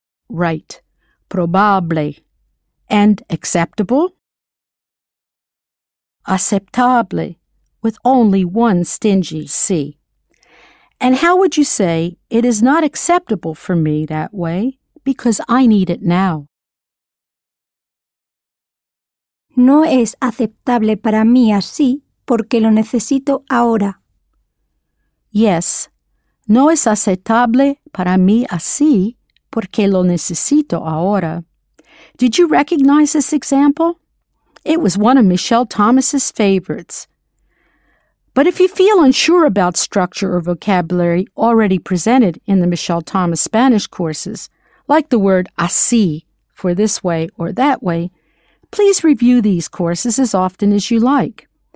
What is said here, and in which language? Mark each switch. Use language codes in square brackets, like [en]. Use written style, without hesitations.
[en] Right. Probable. And acceptable? Aceptable, with only one stingy C. And how would you say, it is not acceptable for me that way, because I need it now? [es] No es aceptable para mí así, porque lo necesito ahora. Yes, no es aceptable para mí así, porque lo necesito ahora. [en] Did you recognize this example? It was one of Michelle Thomas's favorites. But if you feel unsure about structure or vocabulary already presented in the Michelle Thomas Spanish courses, like the word así, for this way or that way, please review these courses as often as you like.